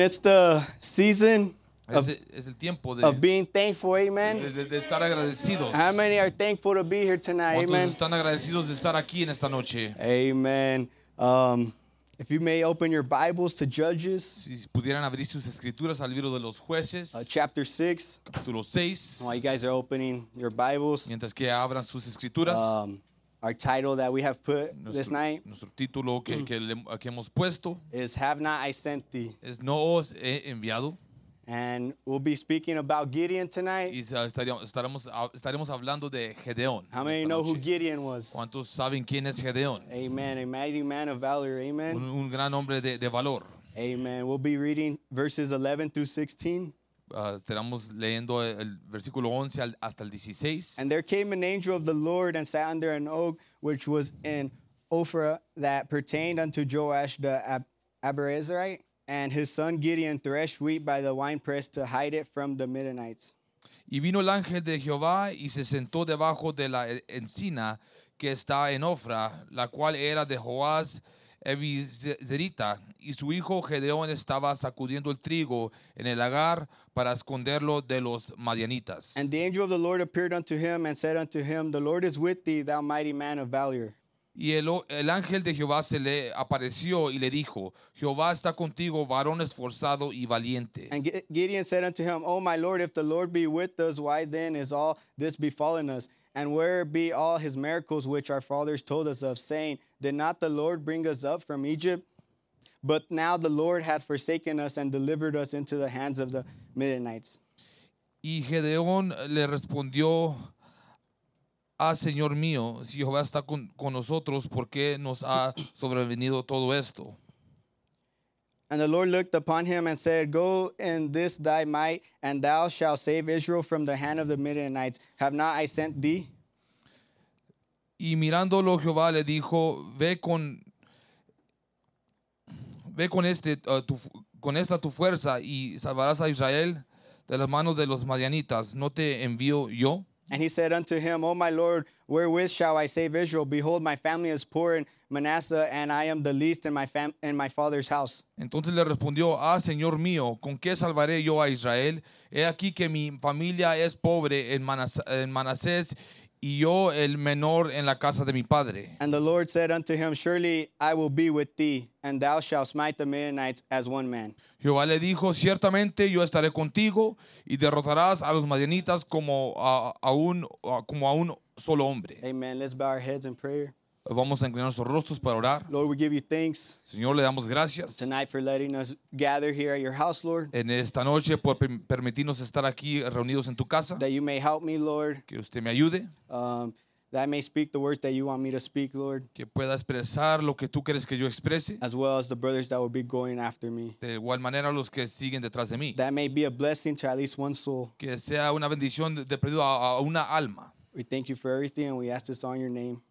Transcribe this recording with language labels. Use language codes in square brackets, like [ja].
[en] It's the season of being thankful. Amen. How many are thankful to be here tonight? Amen. [es] Están agradecidos de estar aquí en esta noche. [en] Amen. If you may open your Bibles to Judges. [es] Si pudieran abrir sus escrituras al libro de los jueces. [en] Chapter 6. [es] Capítulo 6. [en] While you guys are opening your Bibles. [es] Mientras que abran sus escrituras. [en] Our title that we have put this night. [es] Nuestro título que hemos puesto. [en] Is Have Not I Sent Thee. [es] Es No Os He Enviado. [en] And we'll be speaking about Gideon tonight. [es] Y estaremos hablando de Gedeón. [en] How many know who Gideon was? [es] ¿Cuántos saben quién es Gedeón? [en] Amen. A mighty man of valor. Amen. [es] Un gran hombre de valor. [en] Amen. We'll be reading verses 11 through 16. [es] Estaremos leyendo el versículo 11 hasta el 16. [en] And there came an angel of the Lord and sat under an oak which was in Ophrah that pertained unto Joash the Abiezrite. And his son Gideon threshed wheat by the winepress to hide it from the Midianites. [es] Y vino el ángel de Jehová y se sentó debajo de la encina que está en Ofra, la cual era de Joás, Ebizerita, y su hijo Gedeón estaba sacudiendo el trigo en el lagar para esconderlo de los madianitas. [en] And the angel of the Lord appeared unto him and said unto him, the Lord is with thee, thou mighty man of valor. [es] Y el ángel de Jehová se le apareció y le dijo, Jehová está contigo, varón esforzado y valiente. [en] And Gideon said unto him, O my Lord, if the Lord be with us, why then is all this befallen us? And where be all his miracles which our fathers told us of, saying, Did not the Lord bring us up from Egypt? But now the Lord hath forsaken us and delivered us into the hands of the Midianites. [es] Y Gedeón le respondió, Ah, Señor mío, si Jehová está con nosotros, ¿por qué nos ha sobrevenido todo esto? [en] And the Lord looked upon him and said, Go in this thy might, and thou shalt save Israel from the hand of the Midianites. Have not I sent thee? [es] Y mirándolo Jehová le dijo, Ve con esta tu fuerza, y salvarás a Israel de las manos de los madianitas. ¿No te envío yo? [en] And he said unto him, O my Lord, wherewith shall I save Israel? Behold, my family is poor in Manasseh, and I am the least in my father's house. [es] Entonces le respondió, Ah, Señor mío, ¿con qué salvaré yo a Israel? He aquí que mi familia es pobre en Manasés, y yo el menor en la casa de mi padre. [en] And the Lord said unto him, Surely I will be with thee, and thou shalt smite the Midianites as one man. [es] Jehová le dijo, Ciertamente yo estaré contigo, y derrotarás a los madianitas como a un solo hombre. [en] Amen. Let's bow our heads in prayer. [es] Vamos a inclinar nuestros rostros para orar. [en] Lord, we give you thanks. [es] Señor, le damos gracias. [en] Tonight for letting us gather here at your house, Lord. [es] En esta noche por permitirnos estar aquí reunidos en tu casa. [en] That you may help me, Lord. [es] Que usted me ayude. [en] That I may speak the words that you want me to speak, Lord. [es] Que pueda expresar lo que tú quieres que yo exprese. [en] As well as the brothers that will be going after me. [es] De igual manera los que siguen detrás de mí. [en] That may be a blessing to at least one soul. [es] Que sea una bendición de perdido a una alma. [en] We thank you for everything and we ask this on your name.